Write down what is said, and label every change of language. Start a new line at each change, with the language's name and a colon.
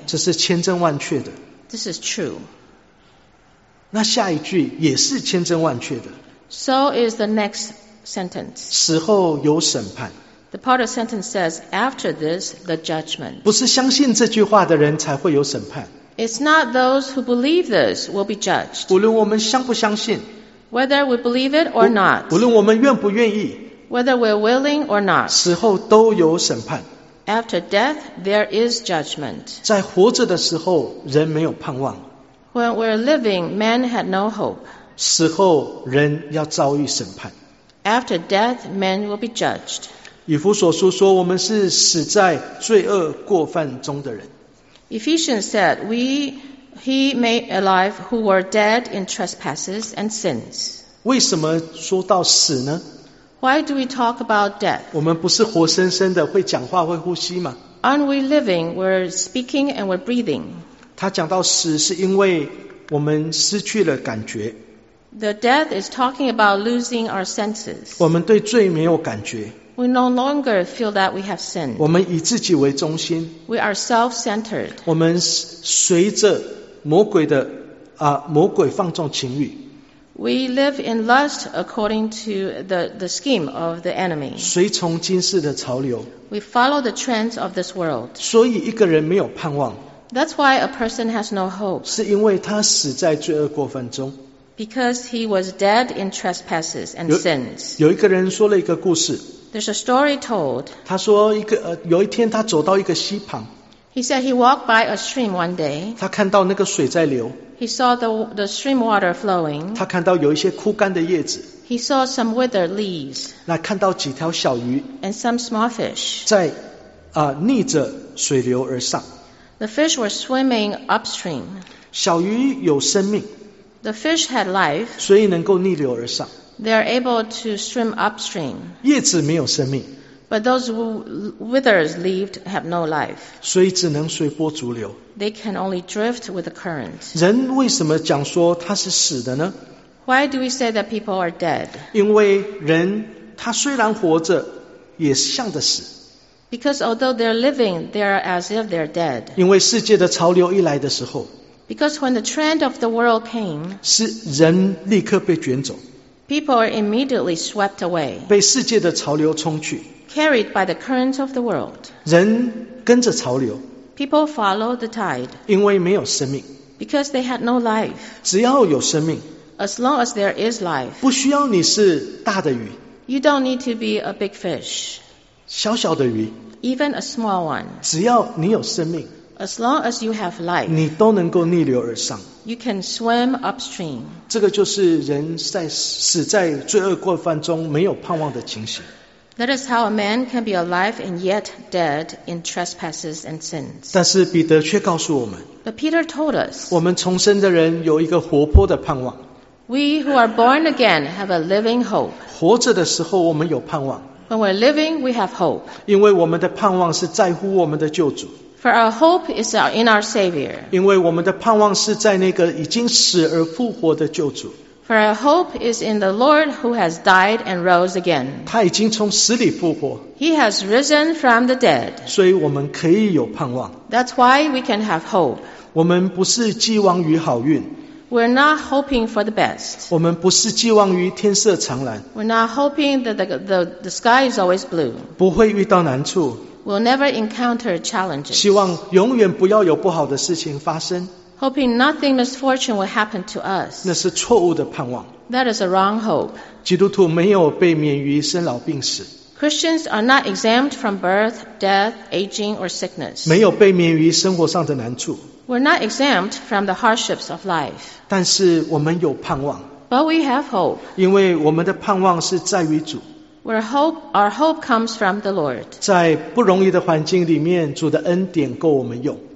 Chinese: 这是千真万确的。
English: This is true.
Chinese: 那下一句也是千真万确的。
English: So is the next sentence.
Chinese: 死后有审判。
English: The part of the sentence says, after this, the judgment.
Chinese: 不是相信这句话的人才会有审判。
English: It's not those who believe this will be judged.
Chinese: 无论我们相不相信。
English: Whether we believe it or not.
Chinese: 无论我们愿不愿意。
English: Whether we're willing or not.
Chinese: 死后都有审判。
English: After death, there is judgment.
Chinese: 在活着的时候，人没有盼望。
English: When we're living, man had no hope.
Chinese: 死后，人要遭遇审判。
English: After death, man will be judged.
Chinese: 以弗所书说，我们是死在罪恶过犯中的人。
English: Ephesians said, he made alive who were dead in trespasses and sins.
Chinese: 为什么说到死呢？
English: Why do we talk about death?
Chinese: 我们不是活生生的会讲话会呼吸吗？
English: Aren't we living? We're speaking and we're breathing.
Chinese: 他讲到死是因为我们失去了感觉。
English: The death is talking about losing our senses.
Chinese: 我们对罪没有感觉。
English: We no longer feel that we have sinned.
Chinese: 我们以自己为中心。
English: We are self-centered.
Chinese: 我们随着魔鬼的魔鬼放纵情欲。
English: We live in lust according to the scheme of the enemy.
Chinese: 随从今世的潮流。
English: We follow the trends of this world.
Chinese: 所以一个人没有盼望。
English: That's why a person has no hope.
Chinese: 是因为他死在罪恶过犯中。
English: Because he was dead in trespasses and sins.
Chinese: 有一个人说了一个故事。
English: There's a story told.
Chinese: 他说有一天他走到一个溪旁。
English: He said he walked by a stream one day.
Chinese: 他看到那个水在流。
English: He saw the stream water flowing.
Chinese: 他看到有一些枯干的叶子。
English: He saw some withered leaves.
Chinese: 那看到几条小鱼。
English: And some small fish.
Chinese: 在逆着水流而上。
English: The fish were swimming upstream.
Chinese: 小鱼有生命。
English: The fish had life.
Chinese: 所以能够逆流而上。
English: They are able to swim upstream.
Chinese: 叶子没有生命。
English: But those withered leaves have no life.
Chinese: 所以只能随波逐流。
English: They can only drift with the current.
Chinese: 人为什么讲说他是死的呢？
English: Why do we say that people are dead?
Chinese: 因为人他虽然活着也像着死。
English: Because although they're living, they're as if they're dead.
Chinese: 因为世界的潮流一来的时候。
English: Because when the trend of the world came,
Chinese: 是人立刻被卷走。
English: People are immediately swept away.
Chinese: 被世界的潮流冲去。
English: Carried by the current of the world.
Chinese: 人跟着潮流。
English: People follow the tide.
Chinese: 因为没有生命。
English: Because they had no life.
Chinese: 只要有生命。
English: As long as there is life.
Chinese: 不需要你是大的鱼。
English: You don't need to be a big fish.
Chinese: 小小的鱼。
English: Even a small one.
Chinese: 只要你有生命。
English: As long as you have life,
Chinese: 你都能够逆流而上。
English: You can swim upstream.
Chinese: 这个就是人在死在罪恶过犯中没有盼望的情形。
English: That is how a man can be alive and yet dead in trespasses and sins.
Chinese: 但是彼得却告诉我们
English: But Peter told us,
Chinese: 我们重生的人有一个活泼的盼望。
English: We who are born again have a living hope.
Chinese: 活着的时候我们有盼望。
English: When we're living, we have hope.
Chinese: 因为我们的盼望是在乎我们的救主。
English: For our hope is in our Savior.
Chinese: 因为我们的盼望是在那个已经死而复活的救主。
English: For our hope is in the Lord who has died and rose again.
Chinese: 他已经从死里复活。
English: He has risen from the dead.
Chinese: 所以我们可以有盼望。
English: That's why we can have hope.
Chinese: 我们不是寄望于好运。
English: We're not hoping for the best.
Chinese: 我们不是寄望于天色常蓝。
English: We're not hoping that the sky is always blue.
Chinese: 不会遇到难处。
English: We'll never encounter challenges.
Chinese: 希望永远不要有不好的事情发生。
English: Hoping nothing misfortune will happen to us.
Chinese: 那是错误的盼望。
English: That is a wrong hope.
Chinese: 基督徒没有被免于生老病死。
English: Christians are not exempt from birth, death, aging, or sickness.
Chinese: 没有被免于生活上的难处。
English: We're not exempt from the hardships of life.
Chinese: 但是我们有盼望。
English: But we have hope.
Chinese: 因为我们的盼望是在于主。
English: Our hope comes from the Lord.
Chinese: 在不容易的环境里面，主的恩典够我们用。